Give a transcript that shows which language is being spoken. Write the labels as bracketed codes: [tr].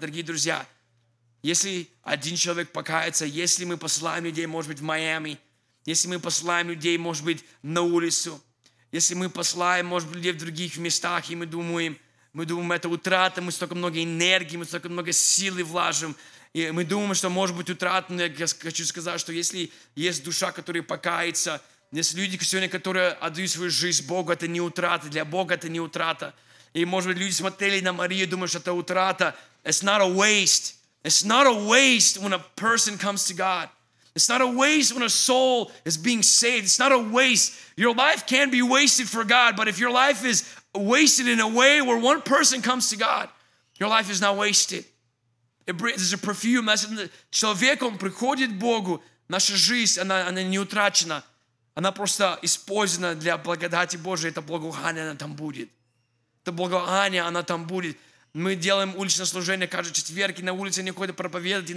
[ru] Дорогие друзья, если один человек покается, если мы посылаем людей, может быть, в Майами, если мы посылаем людей, может быть, на улицу, если мы посылаем, может быть, людей в других местах, и мы думаем, это утрата, мы столько много энергии, мы столько много силы влажим, и мы думаем, что может быть утрата, но я хочу сказать, что если есть душа, которая покается, есть люди сегодня, которые отдают свою жизнь Богу, это не утрата, для Бога это не утрата. И, может быть, люди смотрели на Марию и думают, что это утрата. [en] It's not a waste. It's not a waste when a person comes to God. It's not a waste when a soul is being saved. It's not a waste. Your life can be wasted for God, but if your life is wasted in a way where one person comes to God, your life is not wasted. There's a perfume. [ru] Человек, он приходит к Богу, наша жизнь, она не утрачена. Она просто использована для благодати Божией. Это благоухание, она там будет. Это благоухание, она там будет. Мы делаем уличное служение каждый четверг, и на улице они ходят проповедовать.